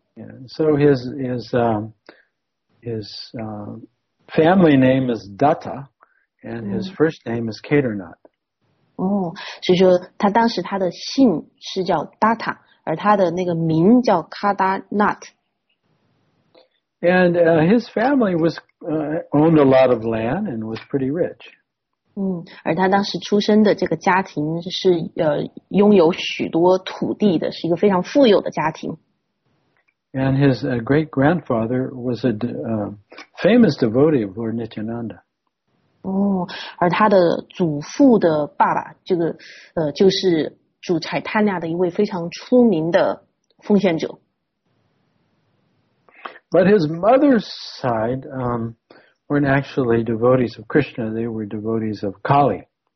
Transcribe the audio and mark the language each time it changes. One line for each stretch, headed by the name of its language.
English: Yeah, so his family name is Datta, and his first name is Kedarnath.
Chinese: 所以说他当时他的姓是叫 Datta, 而他的那个名叫 Kedarnath.
English: And his family was owned a lot of land and was pretty rich.
Chinese: 而他当时出生的这个家庭是拥有许多土地的，是一个非常富有的家庭。
English: And his great grandfather was a famous devotee of Lord Nityananda.
Chinese: 而他的祖父的爸爸，这个就是主柴坦纳的一位非常出名的奉献者。
English: But his mother's side, weren't actually devotees of Krishna, they were devotees of Kali.